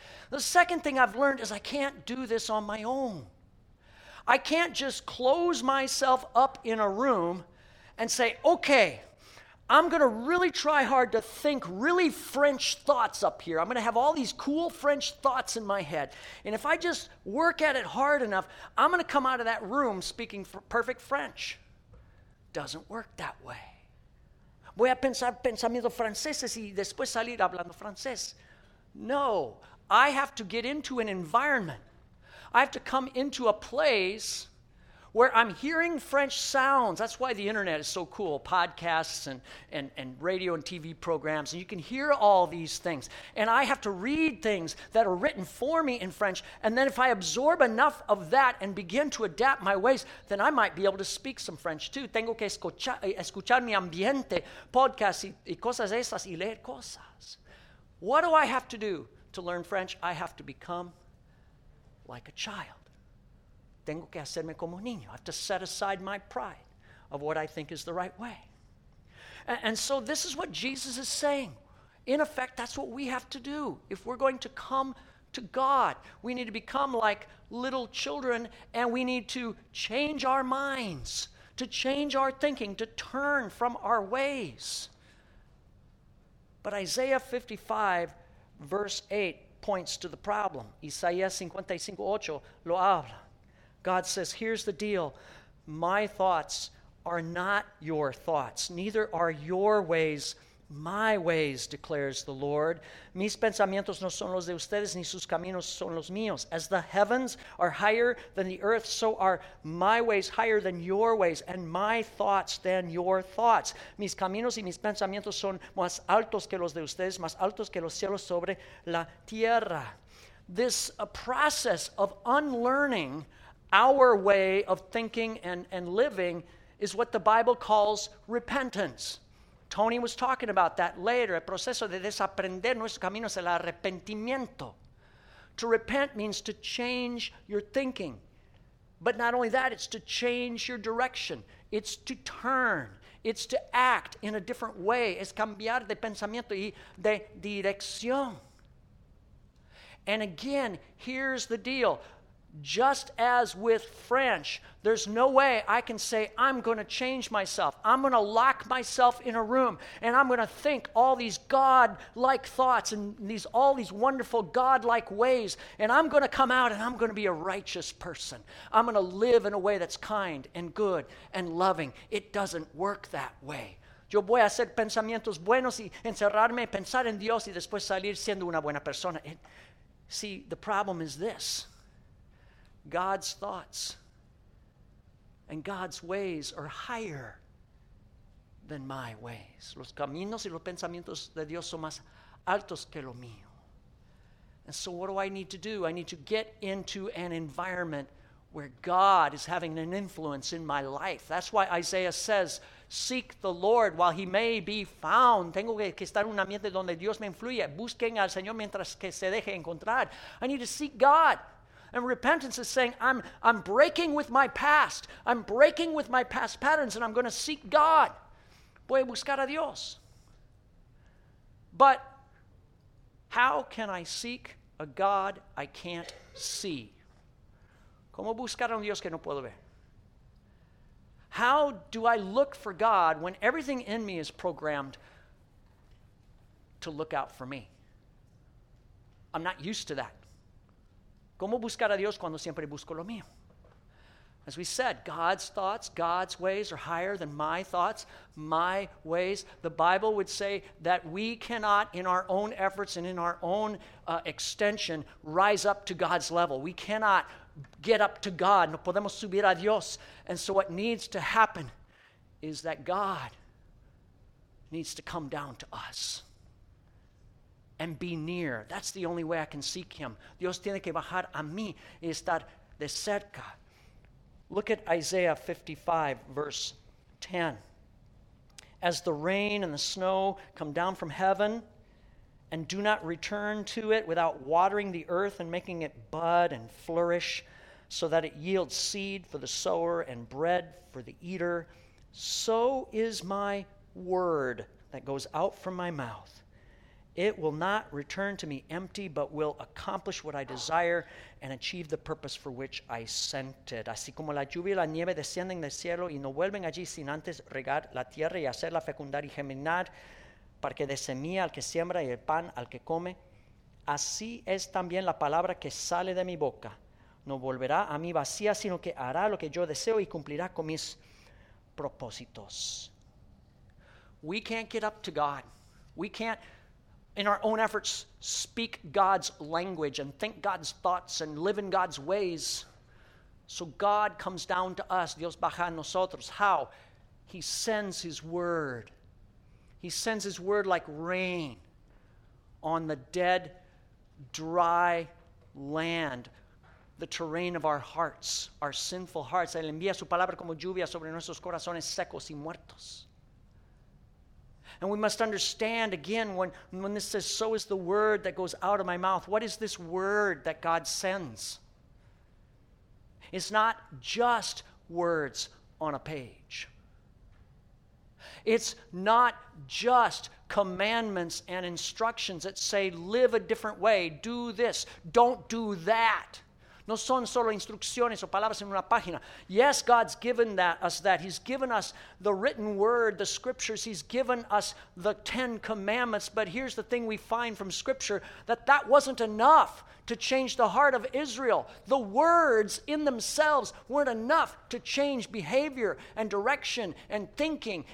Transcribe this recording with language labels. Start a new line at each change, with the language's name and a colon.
English: The second thing I've learned is I can't do this on my own. I can't just close myself up in a room and say, okay, I'm going to really try hard to think really French thoughts up here. I'm going to have all these cool French thoughts in my head. And if I just work at it hard enough, I'm going to come out of that room speaking perfect French. Doesn't work that way.
Spanish: Voy a pensar pensamientos franceses y después salir hablando francés.
English: No, I have to get into an environment. I have to come into a place where I'm hearing French sounds. That's why the internet is so cool, podcasts and radio and TV programs, and you can hear all these things. And I have to read things that are written for me in French, and then if I absorb enough of that and begin to adapt my ways, then I might be able to speak some French too.
Spanish: Tengo que escuchar mi ambiente, podcasts y cosas esas, y leer cosas.
English: What do I have to do to learn French? I have to become like a child.
Spanish: Tengo que hacerme como niño.
English: I have to set aside my pride of what I think is the right way. And so this is what Jesus is saying. In effect, that's what we have to do. If we're going to come to God, we need to become like little children, and we need to change our minds, to change our thinking, to turn from our ways. But Isaiah 55, verse 8, points to the problem.
Spanish: Isaías 55:8 lo habla.
English: God says, here's the deal. My thoughts are not your thoughts. Neither are your ways my ways, declares the Lord.
Spanish: Mis pensamientos no son los de ustedes, ni sus caminos son los míos.
English: As the heavens are higher than the earth, so are my ways higher than your ways, and my thoughts than your thoughts.
Spanish: Mis caminos y mis pensamientos son más altos que los de ustedes, más altos que los cielos sobre la tierra.
English: This process of unlearning our way of thinking and living is what the Bible calls repentance. Tony was talking about that later.
Spanish: El proceso de desaprender nuestros caminos, el arrepentimiento.
English: To repent means to change your thinking. But not only that, it's to change your direction. It's to turn. It's to act in a different way.
Spanish: Es cambiar de pensamiento y de dirección.
English: And again, here's the deal. Just as with French, there's no way I can say, I'm going to change myself. I'm going to lock myself in a room, and I'm going to think all these God-like thoughts and all these wonderful God-like ways, and I'm going to come out, and I'm going to be a righteous person. I'm going to live in a way that's kind and good and loving. It doesn't work that way.
Spanish: Yo voy a hacer pensamientos buenos y encerrarme, pensar en Dios y después salir siendo una buena persona.
English: See, the problem is this. God's thoughts and God's ways are higher than my ways.
Spanish: Los caminos y los pensamientos de Dios son más altos que lo mío.
English: And so what do I need to do? I need to get into an environment where God is having an influence in my life. That's why Isaiah says, seek the Lord while he may be found.
Spanish: Tengo que estar en un ambiente donde Dios me influye. Busquen al Señor mientras que se deje encontrar.
English: I need to seek God. And repentance is saying, I'm breaking with my past. I'm breaking with my past patterns, and I'm going to seek God.
Spanish: Voy a buscar a Dios.
English: But how can I seek a God I can't see?
Spanish: ¿Cómo buscar a un Dios que no puedo ver?
English: How do I look for God when everything in me is programmed to look out for me? I'm not used to that.
Spanish: ¿Cómo buscar a Dios cuando siempre busco lo mío?
English: As we said, God's thoughts, God's ways are higher than my thoughts, my ways. The Bible would say that we cannot, in our own efforts and in our own extension, rise up to God's level. We cannot get up to God.
Spanish: No podemos subir a Dios.
English: And so what needs to happen is that God needs to come down to us. And be near. That's the only way I can seek him.
Spanish: Dios tiene que bajar a mí y estar de cerca.
English: Look at Isaiah 55, verse 10. As the rain and the snow come down from heaven and do not return to it without watering the earth and making it bud and flourish so that it yields seed for the sower and bread for the eater, so is my word that goes out from my mouth. It will not return to me empty, but will accomplish what I desire and achieve the purpose for which I sent it.
Spanish: Así como la lluvia y la nieve descienden del cielo y no vuelven allí sin antes regar la tierra y hacerla fecundar y germinar, para que dé semilla al que siembra y el pan al que come, así es también la palabra que sale de mi boca. No volverá a mí vacía, sino que hará lo que yo deseo y cumplirá con mis propósitos.
English: We can't get up to God. We can't, in our own efforts, speak God's language and think God's thoughts and live in God's ways. So God comes down to us.
Spanish: Dios baja a nosotros.
English: How? He sends his word. He sends his word like rain on the dead, dry land, the terrain of our hearts, our sinful hearts.
Spanish: Él envía su palabra como lluvia sobre nuestros corazones secos y muertos.
English: And we must understand again when this says, so is the word that goes out of my mouth. What is this word that God sends? It's not just words on a page. It's not just commandments and instructions that say, live a different way, do this, don't do that.
Spanish: No son solo instrucciones o palabras en una página.
English: Yes, God's given us that. He's given us the written word, the scriptures. He's given us the Ten Commandments. But here's the thing we find from scripture, that wasn't enough to change the heart of Israel. The words in themselves weren't enough to change behavior and direction and thinking.